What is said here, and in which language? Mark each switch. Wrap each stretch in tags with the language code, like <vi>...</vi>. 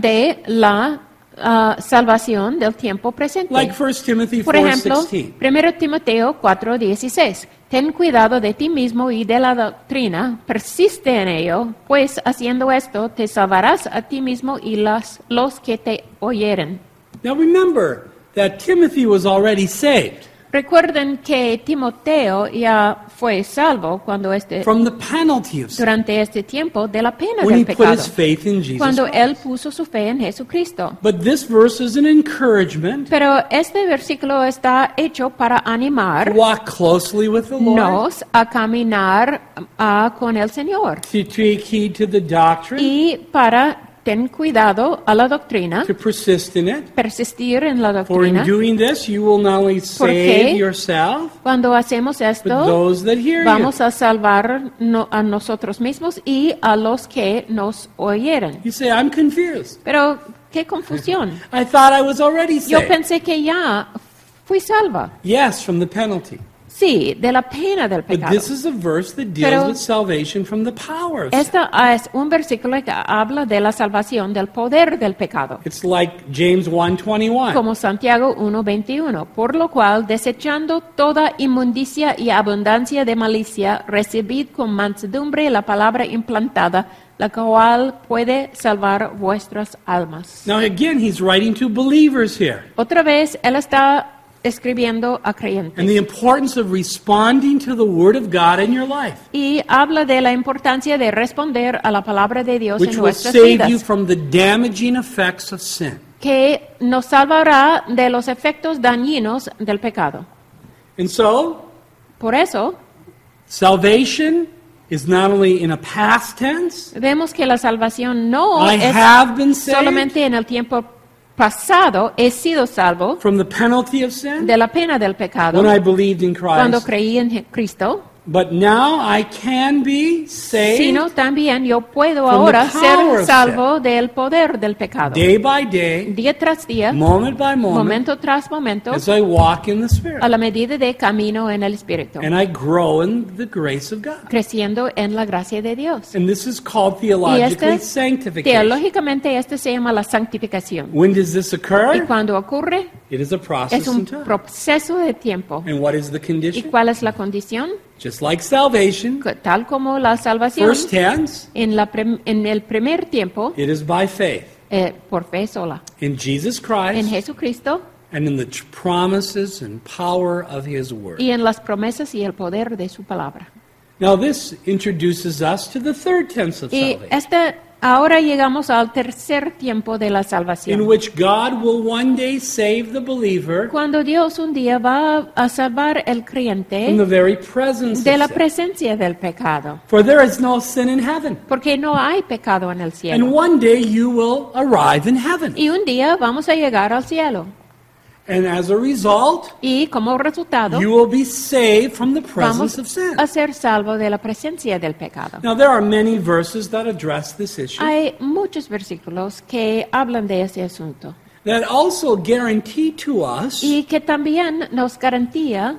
<es>De la salvación del tiempo presente.</es> <en>Like 1 Timothy 4,</en> <es>por ejemplo, 1 Timoteo 4, 16. Ten cuidado de ti mismo y de la doctrina. Persiste en ello, pues haciendo esto te salvarás a ti mismo y las, los que te oyeren.</es> <en>Now remember that Timothy was already saved.</en> <es>Recuerden que Timoteo ya fue salvo cuando</es> <en>from the penalty of sin.</en> <es>Durante este tiempo de la pena</es> <en>when</en> <es>del</es> <en>he</en> <es>pecado.</es> <en>Put his faith in Jesus</en> <es>cuando</es> <en>Christ.</en> <es>Él puso su fe en Jesucristo.</es> <en>But this verse is an encouragement.</en> <es>Pero este versículo está hecho para animar</es> <en>to walk closely with the Lord.</en> <es>Nos a caminar con el Señor.</es> <en>To take heed to the doctrine.</en> <es>Y para ten cuidado a la doctrina.</es> <en>To persist in it.</en> <es>Persistir en la doctrina.</es> <en>For in doing this, you will not only save yourself,</en> <es>cuando hacemos esto,</es> <en>but those that hear</en> <es>vamos</es> <en>you.</en> <es>A salvar no, a nosotros mismos y a los que nos oyeron.</es> <en>You say, I'm confused.</en> <es>Pero, ¿qué confusión?</es> <en>I thought I was already saved.</en> <es>Yo pensé que ya fui salva.</es> <en>Yes, from the penalty.</en> <es>Sí, de la pena del pecado.</es> <en>But this is a verse that deals</en> <es>pero</es> <en>with salvation from the power of sin.</en> <es>Esta es un versículo que habla de la salvación del poder del pecado.</es> <en>It's like James 1:21.</en> <es>Como Santiago 1:21. Por lo cual, desechando toda inmundicia y abundancia de malicia, recibid con mansedumbre la palabra implantada, la cual puede salvar vuestras almas.</es> <en>Now again, he's writing to believers here.</en> <es>Otra vez, él está escribiendo a creyentes.</es> <en>And the importance of responding to the word of God in your life.</en> <es>Y habla de la importancia de responder a la palabra de Dios</es> <en>which</en> <es>en nuestras</es> <en>will save</en> <es>vidas.</es> <en>You from the damaging effects of sin.</en> <es>Que nos salvará de los efectos dañinos del pecado.</es> <en>And so,</en> <es>por eso,</es> <en>salvation is not only in a past tense.</en> <es>Vemos que la salvación no</es> <en>I</en> <es>es</es> <en>have been</en> <es>solamente</es> <en>saved.</en> <es>En el tiempo pasado he sido salvo</es> <en>from the penalty of sin,</en> <es>de la pena del pecado</es> <en>when I believed in Christ,</en> <es>cuando creí en Cristo,</es> <en>but now I can be saved</en> <es>sino también yo puedo ahora ser salvo del poder del pecado</es> <en>day by day,</en> <es>día tras día,</es> <en>moment by moment,</en> <es>momento tras momento,</es> <en>as I walk in the Spirit,</en> <es>a la medida de camino en el Espíritu,</es> <en>and I grow in the grace of God,</en> <es>creciendo en la gracia de Dios.</es> <en>And this is called theologically sanctification.</en> <es>Teológicamente esto se llama la santificación.</es> <en>When does this occur?</en> <es>¿Y cuándo ocurre?</es> <en>It is a process</en> <es>es un</es> <en>in time.</en> <es>Proceso de tiempo.</es> <en>And what is the condition?</en> <es>¿Y cuál es la condición?</es> <en>Just like salvation,</en> <es>tal como la salvación,</es> <en>first tense,</en> <es>en el primer tiempo,</es> <en>it is by faith,</en> <es>por fe sola,</es> <en>in Jesus Christ,</en> <es>en Jesucristo,</es> <en>and in the promises and power of His Word,</en> <es>y en las promesas y el poder de su palabra.</es> <en>Now this introduces us to the third tense of</en> <es>y</es> <en>salvation.</en> <es>Esta, ahora llegamos al tercer tiempo de la salvación.</es> <en>In which God will one day save the believer.</en> <es>Cuando Dios un día va a salvar el creyente.</es> <en>From the very presence</en> <es>de la presencia del pecado.</es> <en>For there is no sin in heaven.</en> <es>Porque no hay pecado en el cielo.</es> <en>And one day you will arrive in heaven.</en> <es>Y un día vamos a llegar al cielo.</es> <en>And as a result,</en> <es>y como resultado,</es> <en>you will be saved from the presence</en> <es>vamos</es> <en>of sin.</en> <es>A ser salvo de la presencia del pecado.</es> <en>Now there are many verses that address this issue.</en> <es>Hay muchos versículos que hablan de ese asunto.</es> <en>That also guarantee to us</en> <es>y que también nos garantía</es>